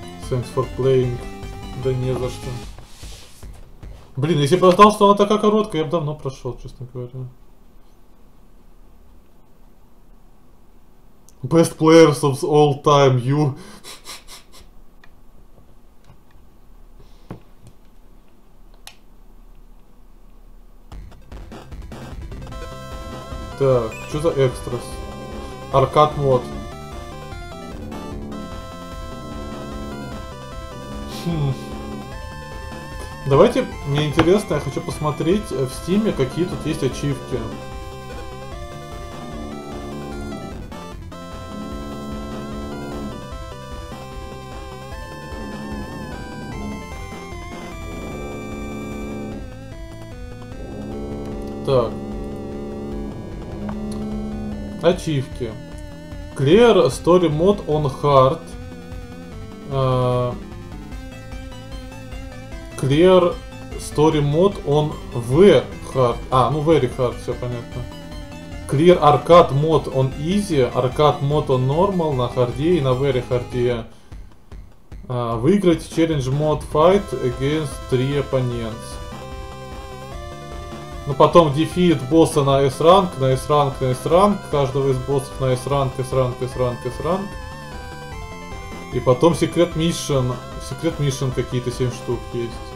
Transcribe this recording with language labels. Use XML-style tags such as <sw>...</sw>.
<en>Thanks for playing.</en> <ru>Да не за что. Блин, если бы я знал, что она такая короткая, я бы давно прошел, честно говоря.</ru> <en>Best players of all time, you.</en> <ru>Так, что за экстрас? Аркад мод. Давайте, мне интересно, я хочу посмотреть в стиме, какие тут есть ачивки. Так. Ачивки.</ru> <en>Clear Story Mode on Hard. Clear</en> <ru>Story мод, он V-Hard. А, ну Very Hard, все понятно. Clear Arcade мод, он Easy. Arcade мод, он Normal, на харде и на Very Hard'е. Выиграть Challenge мод</ru> <en>Fight against 3 opponents.</en> <ru>Ну потом дефит босса на S-Rank, на S-Rank, на S-Rank. Каждого из боссов на S-Rank, S-Rank, S-Rank, S-Rank. И потом секрет Mission. Секрет Mission какие-то 7 штук есть.</ru>